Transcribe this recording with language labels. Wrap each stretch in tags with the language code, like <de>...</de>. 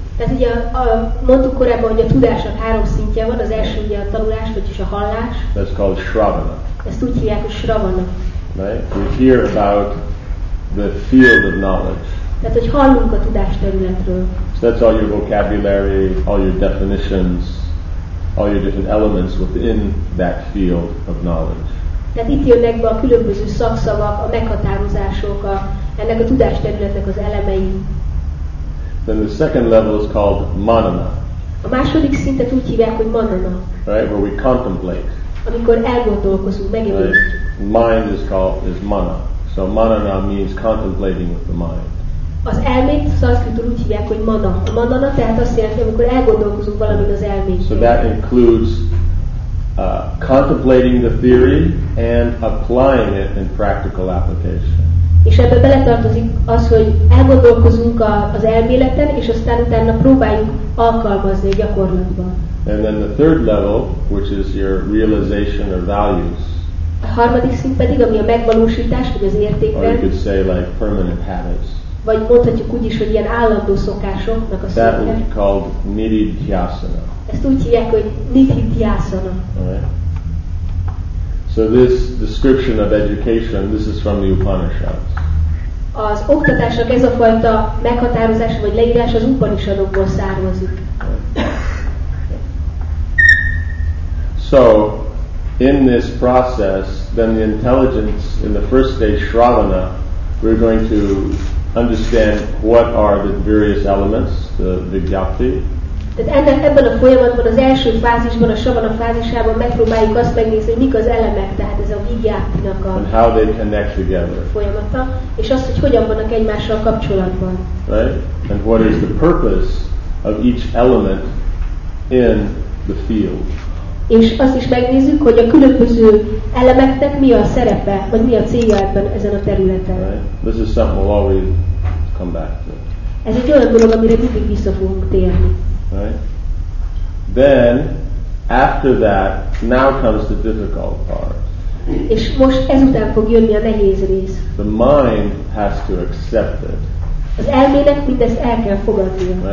<hu>Tehát ugye mondtuk korábban, hogy a tudásnak három szintje van, az első ugye a tanulás, vagyis a hallás.</hu> <en>That's called shravana.</en> <hu>Ezt úgy hívják, hogy shravana.</hu> <en>Right? We hear about the field of knowledge.</en> <hu>Tehát, hogy hallunk a tudás területről.</hu> <en>So that's all your vocabulary, all your definitions, all your different elements within that field of knowledge.</en> <hu>Tehát itt jönnek be a különböző szakszavak, a meghatározások, ennek a tudás területnek az elemei.</hu> <en>Then the second level is called manana.</en> <hu>A második szintet úgy hívják, hogy manana.</hu> <en>Right, where we contemplate.</en> <hu>Amikor elgondolkozunk, megemlítjük.</hu> <en>Right. Mind is called mana. So manana means contemplating with the mind.</en> <hu>Az elmét szanszkritul úgy hívják, hogy mana. A manana tehát azt jelenti, amikor elgondolkozunk valamit az elmét.</hu> <en>So that includes contemplating the theory and applying it in practical application.</en> <hu>És ebbe beletartozik az, hogy elgondolkozunk az elméleten, és aztán utána próbáljuk alkalmazni a gyakorlatban.</hu> <en>And then the third level, which is your realization of values.</en> <hu>A harmadik szint pedig, ami a megvalósítás, vagy az értékben.</hu> <en>Or you could say like permanent habits.</en> <hu>Vagy mondhatjuk úgy is, hogy ilyen állandó szokásoknak a szintje.</hu> <en>That would be called nididhyasana.</en> <hu>Ezt úgy hívják, hogy nididhyasana.</hu> <en>So this description of education, this is from the Upanishads.</en> <hu>Az oktatásnak ez a fajta meghatározás vagy leírás az Upanishadokból származik.</hu> <en>So, in this process, then the intelligence in the first stage, Shravana, we're going to understand what are the various elements, the vijyati.</en> <hu>Tehát ebben a folyamatban, az első fázisban, a Shravana fázisában megpróbáljuk azt megnézni, hogy mik az elemek, tehát ez a vijyatinak a</hu> <en>and how they connect together.</en> <hu>Folyamata, és azt, hogy hogyan vannak egymással kapcsolatban.</hu> <en>Right? And what is the purpose of each element in the field?</en> <hu>És azt is megnézzük, hogy a különböző elemeknek mi a szerepe, vagy mi a célja ebben ezen a területen.</hu> <en>Right. This is something we'll always come back to.</en> <hu>Ez egy olyan dolog, amire mindig vissza fogunk térni.</hu> <en>Then, after that, now comes the difficult part.</en> <hu>És most ezután fog jönni a nehéz rész.</hu> <en>The mind has to accept it.</en> <hu>Az elmének mindezt el kell fogadnia.</hu>